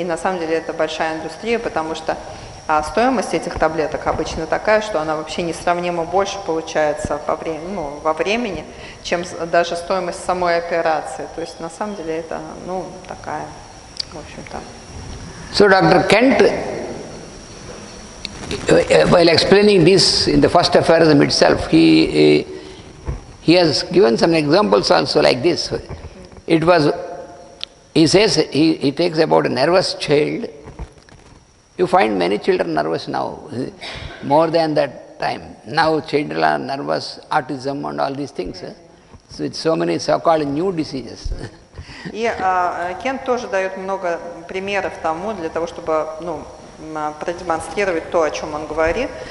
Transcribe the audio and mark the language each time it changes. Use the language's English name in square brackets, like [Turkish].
[Russian] И на самом деле это большая индустрия, потому что стоимость этих таблеток обычно такая, что она вообще несравнимо больше получается во времени, чем даже стоимость самой операции. То есть на самом деле это, ну, такая, в общем-то. [English] So, Dr. Kent, while explaining this in the first aphorism itself, he has given some examples also like this. It was, he says, he takes about a nervous child. You find many children nervous now, more than that time. Now children are nervous, autism and all these things. So it's so many so-called new diseases. [Russian] И Кент тоже дает много примеров тому, для того, чтобы продемонстрировать то, о чем он говорит.